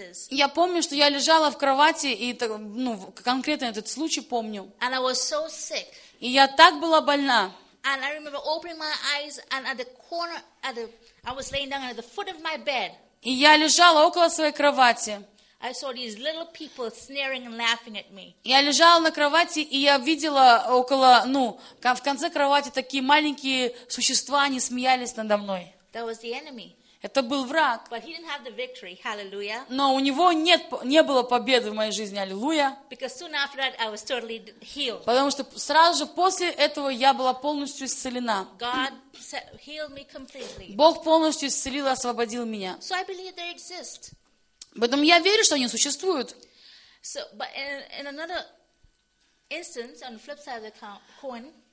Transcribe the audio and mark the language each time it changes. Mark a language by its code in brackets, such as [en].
[ru] Я помню, что я лежала в кровати, и конкретно этот случай помню. [en] And I was so sick. [ru] И я так была больна. [en] And I remember opening my eyes, and at the corner, I was laying down at the foot of my bed. [ru] И я лежала около своей кровати. [en] I saw these little people sneering and laughing at me. [ru] Я лежала на кровати, и я видела около, в конце кровати такие маленькие существа, они смеялись надо мной. [en] That was the enemy. [ru] Это был враг. [en] But he didn't have the victory. Hallelujah. [ru] Но у него не было победы в моей жизни. Аллилуйя. [en] Because soon after that, I was totally healed. [ru] Потому что сразу же после этого я была полностью исцелена. [en] God healed me completely. [ru] Бог полностью исцелил и освободил меня. [en] So I believe they exist. [ru] Поэтому я верю, что они существуют. [en] So, but in another instance, on the flip side of the coin,